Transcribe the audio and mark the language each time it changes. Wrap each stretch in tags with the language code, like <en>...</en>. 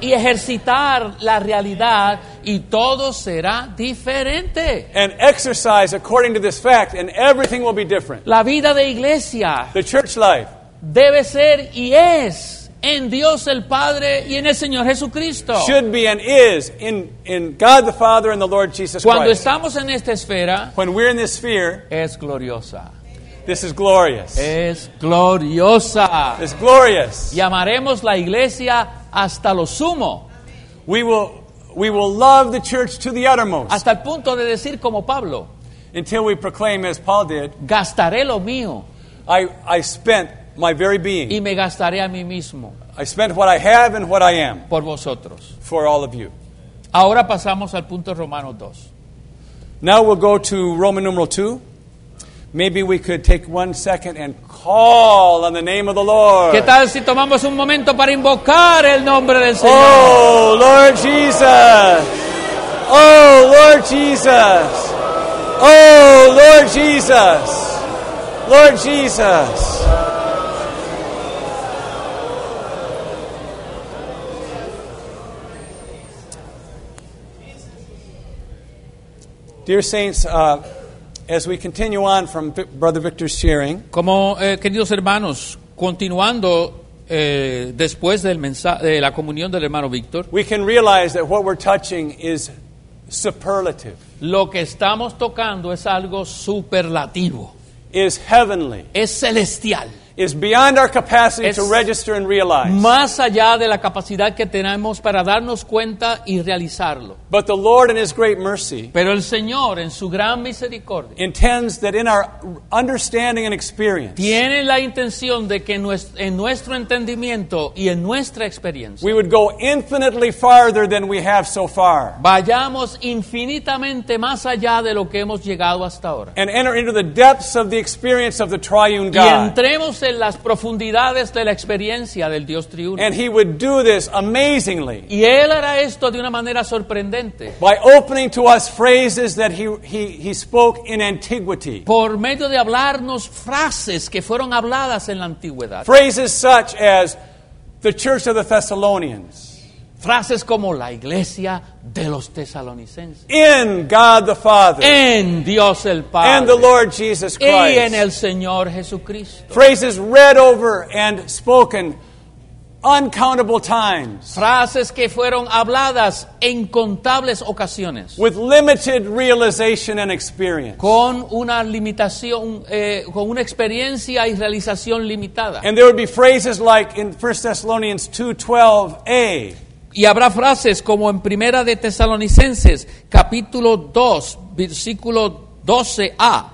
<es>y ejercitar la realidad, y todo será diferente.</es> <en>And exercise according to this fact, and everything will be different.</en> <es>La vida de iglesia,</es> <en>the church life,</en> <es>debe ser y es en Dios el Padre y en el Señor Jesucristo.</es> <en>Should be and is in God the Father and the Lord Jesus Christ.</en> <es>Cuando estamos en esta esfera,</es> <en>when we're in this sphere,</en> <es>es gloriosa.</es> <en>This is glorious.</en> <es>Es gloriosa.</es> <en>It's glorious.</en> <es>Llamaremos la iglesia hasta lo sumo.</es> <en>We will love the church to the uttermost.</en> <es>Hasta el punto de decir como Pablo.</es> <en>Until we proclaim as Paul did.</en> <es>Gastaré lo mío.</es> <en>I spent my very being.</en> <es>Y me gastaré a mí mismo.</es> <en>I spent what I have and what I am.</en> <es>Por vosotros.</es> <en>For all of you.</en> <es>Ahora pasamos al punto Romano 2.</es> <en>Now we'll go to Roman numeral 2. Maybe we could take 1 second and call on the name of the Lord.</en> <es>¿Qué tal si tomamos un momento para invocar el nombre del Señor?</es> <en>Oh, Lord Jesus. Oh, Lord Jesus. Oh, Lord Jesus. Lord Jesus. Dear saints, as we continue on from Brother Victor's sharing,</en> <es>como queridos hermanos, continuando después del de la comunión del hermano Victor,</es> <en>we can realize that what we're touching is superlative.</en> <es>Lo que estamos tocando es algo superlativo.</es> <en>Is heavenly.</en> <es>Es celestial.</es> <en>Is beyond our capacity to register and realize.</en> <es>Más allá de la capacidad que tenemos para darnos cuenta y realizarlo.</es> <en>But the Lord in His great mercy,</en> <es>pero el Señor en su gran misericordia,</es> <en>intends that in our understanding and experience,</en> <es>tiene la intención de que en nuestro entendimiento y en nuestra experiencia,</es> <en>we would go infinitely farther than we have so far.</en> <es>Vayamos infinitamente más allá de lo que hemos llegado hasta ahora.</es> <en>And enter into the depths of the experience of the triune God.</en> <es>Y entremos en las profundidades de la experiencia del Dios triuno.</es> <en>And he would do this amazingly.</en> <es>Y él hará esto de una manera sorprendente.</es> <en>By opening to us phrases that he spoke in antiquity.</en> <es>Por medio de hablarnos frases que fueron habladas en la antigüedad.</es> <en>Phrases such as the Church of the Thessalonians.</en> <es>Frases como la iglesia de los tesalonicenses.</es> <en>In God the Father.</en> <es>En Dios el Padre.</es> <en>And the Lord Jesus Christ.</en> <es>Y en el Señor Jesucristo.</es> <en>Phrases read over and spoken uncountable times.</en> <es>Frases que fueron habladas incontables ocasiones.</es> <en>With limited realization and experience.</en> <es>Con una limitación, con una experiencia y realización limitada.</es> <en>And there would be phrases like in 1 Thessalonians 2:12a.</en> <es>Y habrá frases como en Primera de Tesalonicenses, capítulo 2, versículo 12a.</es>